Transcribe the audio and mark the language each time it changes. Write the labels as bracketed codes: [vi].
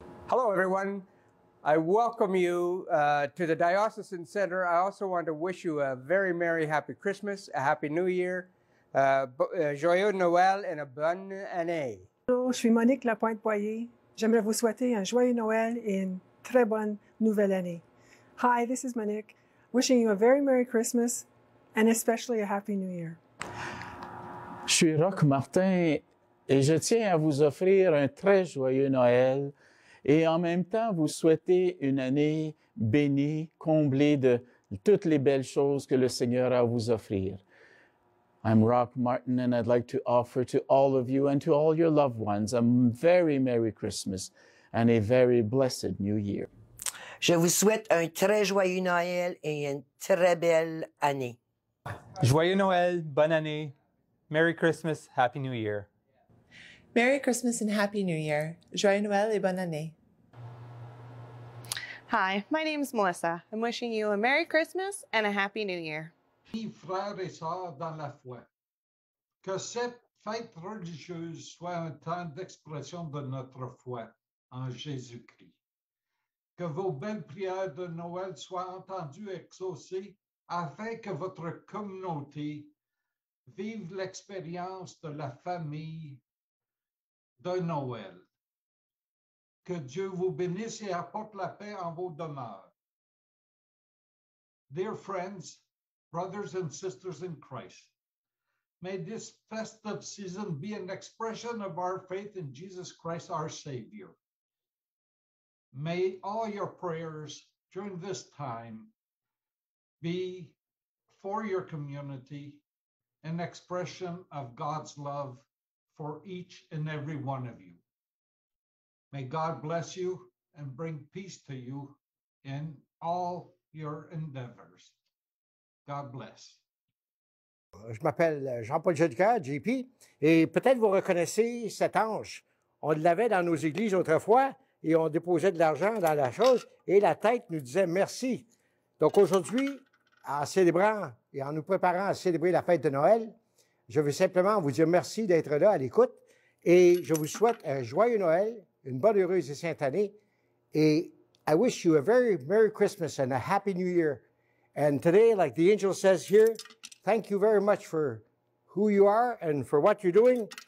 [en] Hello, everyone. I welcome you to the Diocesan Center. I also want to wish you a very merry, happy Christmas, a happy New Year, [fr] joyeux Noël and a bonne année. Bonjour, je suis Monique Lapointe-Boyer. J'aimerais vous souhaiter un joyeux Noël et une très bonne nouvelle année. [en] Hi, this is Monique, wishing you a very merry Christmas and especially a happy New Year. [fr] Je suis Roch Martin et je tiens à vous offrir un très joyeux Noël. Et en même temps, vous souhaitez une année bénie, comblée de toutes les belles choses que le Seigneur a à vous offrir. [en] I'm Roch Martin, and I'd like to offer to all of you and to all your loved ones a very Merry Christmas and a very blessed New Year. [fr] Je vous souhaite un très joyeux Noël et une très belle année. Joyeux Noël, bonne année. [en] Merry Christmas, Happy New Year. Merry Christmas and Happy New Year. [fr] Joyeux Noël et bonne année. [en] Hi, my name is Melissa. I'm wishing you a Merry Christmas and a Happy New Year. [fr] Mes frères et sœurs dans la foi, que cette fête religieuse soit un temps d'expression de notre foi en Jésus-Christ. Que vos belles prières de Noël soient entendues et exaucées afin que votre communauté vive l'expérience de la famille de Noël. Que Dieu vous bénisse et apporte la paix en vos demeures. [en] Dear friends, brothers and sisters in Christ, may this festive season be an expression of our faith in Jesus Christ, our Savior. May all your prayers during this time be for your community an expression of God's love for each and every one of you. May God bless you and bring peace to you in all your endeavors. God bless. [fr] Je m'appelle Jean-Paul Jodicœur, JP, et peut-être vous reconnaissez cet ange. On l'avait dans nos églises autrefois, et on déposait de l'argent dans la chose, et la tête nous disait merci. Donc aujourd'hui, en célébrant et en nous préparant à célébrer la fête de Noël, je veux simplement vous dire merci d'être là à l'écoute et je vous souhaite un joyeux Noël, une bonne, heureuse et sainte année. [en] Et I wish you a very Merry Christmas and a Happy New Year. And today, like the angel says here, thank you very much for who you are and for what you're doing.